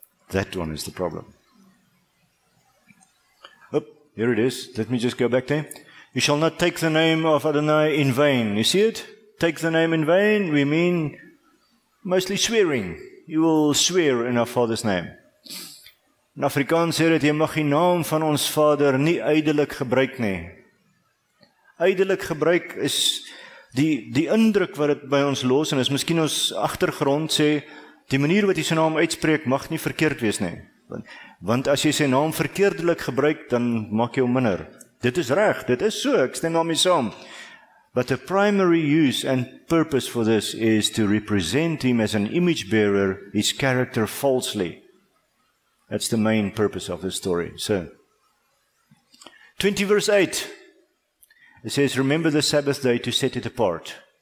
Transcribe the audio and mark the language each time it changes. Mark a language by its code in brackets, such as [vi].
[en] That one is the problem. Oh, here it is. Let me just go back there. You shall not take the name of Adonai in vain. You see it? Take the name in vain, we mean mostly swearing. You will swear in our Father's name. [af] In Afrikaans sê dit, jy mag die naam van ons Vader nie ydelik gebruik nie. Ydelik gebruik is die indruk wat het by ons los, en is miskien ons achtergrond sê, die manier wat jy sy naam uitspreek mag nie verkeerd wees nie. Want as jy sy naam verkeerdelik gebruik, dan maak jy hom minder. Dit is reg, dit is so, ek stem daarmee saam. [en] But the primary use and purpose for this is to represent Him as an image bearer, His character falsely. That's the main purpose of this story. So, 20 verse 8, it says, remember the Sabbath day to set it apart.